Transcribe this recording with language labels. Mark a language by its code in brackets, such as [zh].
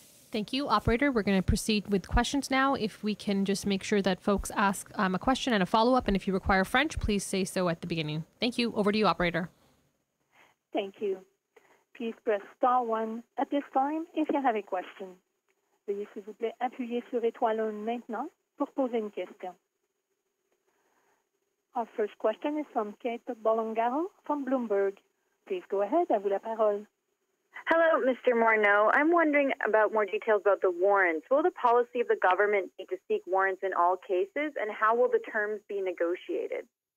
[en] Thank you, operator. We're going to proceed with questions now. If we can just make sure that folks ask a question and a follow-up, and if you require French, please say so at the beginning. Thank you. Over to you, operator. Thank you. Please press star 1 at this time if you have a question. [fr] Veuillez s'il vous plaît appuyer sur étoile 1 maintenant pour poser une question. [en] Our first question is from Kate Bolongaro from Bloomberg. Please go ahead. [fr] À vous la parole. [en] Hello, Mr. Morneau. I'm wondering about more details about the warrants. Will the policy of the government need to seek warrants in all cases, and how will the terms be negotiated?